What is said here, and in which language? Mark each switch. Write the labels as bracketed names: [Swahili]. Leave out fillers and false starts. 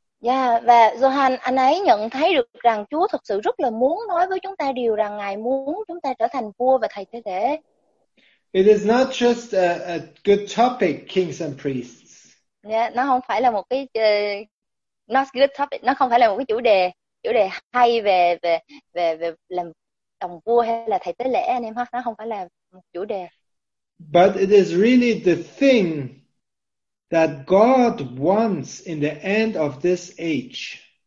[Vietnamese] Yeah, và Johan anh ấy nhận thấy được rằng Chúa thực sự rất là muốn nói với chúng ta điều rằng Ngài muốn chúng ta trở thành vua và thầy tế lễ. [English] It is not just a good topic, kings and priests. [Vietnamese] Yeah, nó không phải là một cái [English] not good topic, [Vietnamese] nó không phải là một cái chủ đề hay về làm đồng vua hay là thầy tế lễ anh em ha, nó không phải là một chủ đề. [English] But it is really the thing that God wants in the end of this age.